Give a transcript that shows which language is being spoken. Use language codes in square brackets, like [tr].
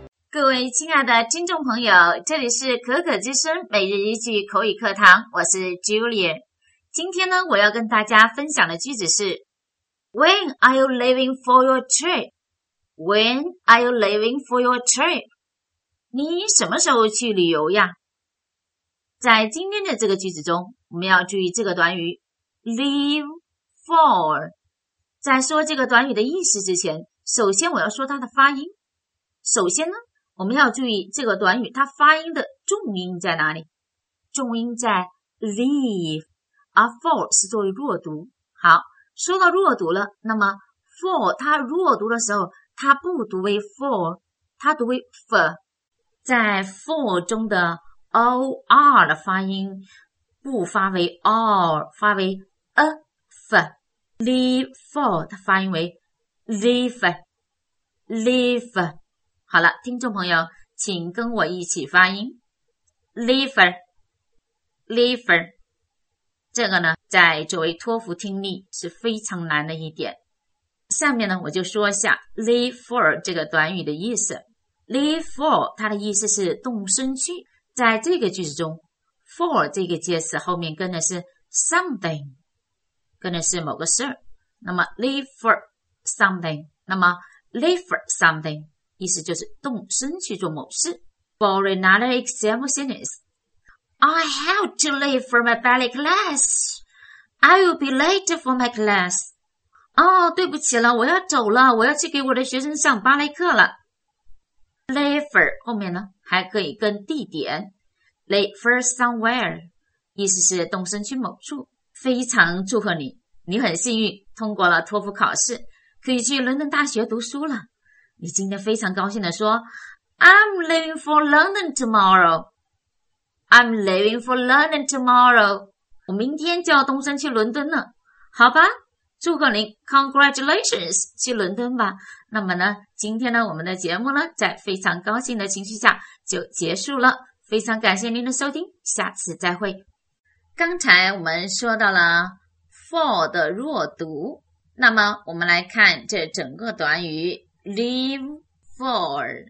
[zh] 各位亲爱的听众朋友，这里是可可之声每日一句口语课堂，我是 Julia。今天呢，我要跟大家分享的句子是 When are you leaving for your trip? [en] When are you leaving for your trip? [zh] 你什么时候去旅游呀？在今天的这个句子中，我们要注意这个短语 leave for。在说这个短语的意思之前，首先我要说它的发音。首先呢，我们要注意这个短语它发音的重音在哪里，重音在 leave， 而 for 是作为弱读。好，说到弱读了，那么 for 它弱读的时候，它不读为 for， 它读为 for。在 for 中的 or 的发音不发为 or， 发为 a for。 leave for 它发音为 leave leave。好了，听众朋友，请跟我一起发音 leave leave。这个呢，在作为托福听力是非常难的一点。下面呢，我就说一下 leave for 这个短语的意思。 leave for 它的意思是动身去。在这个句子中， for 这个介词后面跟的是 something， 跟的是某个事，那么 leave for something， 那么 leave for something意思就是动身去做某事。 [en] For another example sentence, I have to leave for my ballet class. I will be late for my class. [zh] 哦，对不起了，我要走了，我要去给我的学生上芭蕾课了。 Leave for 后面呢，还可以跟地点 leave for somewhere， 意思是动身去某处。非常祝贺你，你很幸运通过了托福考试，可以去伦敦大学读书了。你今天非常高兴地说 I'm leaving for London tomorrow. [en] I'm leaving for London tomorrow. [zh] 我明天就要动身去伦敦了。好吧，祝贺您， Congratulations，去伦敦吧。那么呢，今天呢，我们的节目呢，在非常高兴的情绪下就结束了。非常感谢您的收听，下次再会。刚才我们说到了 for 的弱读，那么我们来看这整个短语leave for。